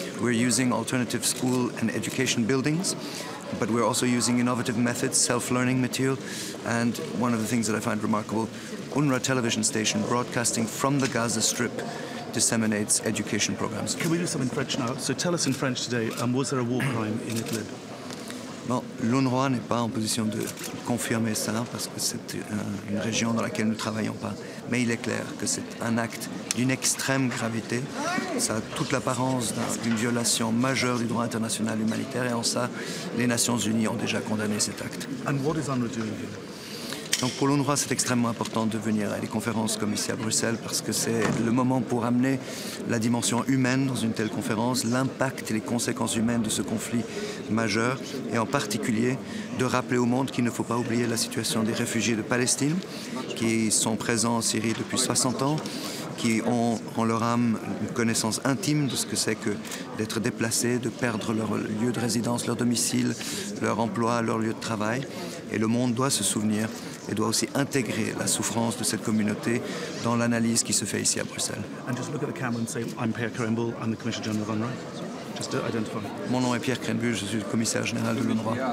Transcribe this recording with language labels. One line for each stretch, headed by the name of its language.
English: We're using alternative school and education buildings, but we're also using innovative methods, self-learning material, and one of the things that I find remarkable, UNRWA television station broadcasting from the Gaza Strip disseminates education programs. Can we do some in French now? So tell us in French today, was there a war crime in Idlib?
French: Non, l'UNRWA n'est pas en position de confirmer ça parce que c'est une région dans laquelle nous ne travaillons pas. Mais il est clair que c'est un acte d'une extrême gravité. Ça a toute l'apparence d'une violation majeure du droit international humanitaire et en ça, les Nations Unies ont déjà condamné cet acte.
English: And what is UNRWA doing here?
French: Donc pour l'UNRWA, c'est extrêmement important de venir à des conférences comme ici à Bruxelles parce que c'est le moment pour amener la dimension humaine dans une telle conférence, l'impact et les conséquences humaines de ce conflit majeur et en particulier de rappeler au monde qu'il ne faut pas oublier la situation des réfugiés de Palestine qui sont présents en Syrie depuis 60 ans, qui ont en leur âme une connaissance intime de ce que c'est que d'être déplacés, de perdre leur lieu de résidence, leur domicile, leur emploi, leur lieu de travail. Et le monde doit se souvenir et doit aussi intégrer la souffrance de cette communauté dans l'analyse qui se fait ici à Bruxelles.
English: And just look at the camera and say, I'm Pierre KRÄHENBÜHL, I'm the Commissioner General of UNRWA. Just to identify.
French: Mon nom est Pierre KRÄHENBÜHL, je suis le Commissaire Général de l'UNRWA.